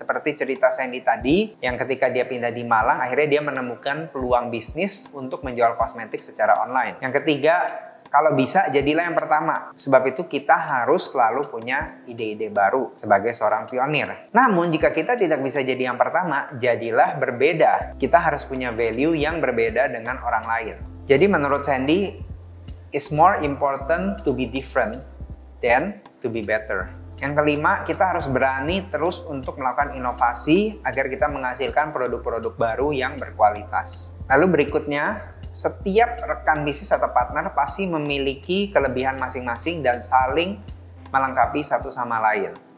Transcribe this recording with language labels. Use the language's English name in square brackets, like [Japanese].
[Indonesian] Seperti cerita Sandy tadi, yang ketika dia pindah di Malang, akhirnya dia menemukan peluang bisnis untuk menjual kosmetik secara online. Yang ketiga, kalau bisa, jadilah yang pertama. Sebab itu kita harus selalu punya ide-ide baru sebagai seorang pionir. Namun, jika kita tidak bisa jadi yang pertama, jadilah berbeda. Kita harus punya value yang berbeda dengan orang lain. Jadi menurut Sandy, [English] it's more important to be different than to be better. [Indonesian] Yang kelima, kita harus berani terus untuk melakukan inovasi agar kita menghasilkan produk-produk baru yang berkualitas. Lalu berikutnya, setiap rekan bisnis atau partner pasti memiliki kelebihan masing-masing dan saling melengkapi satu sama lain.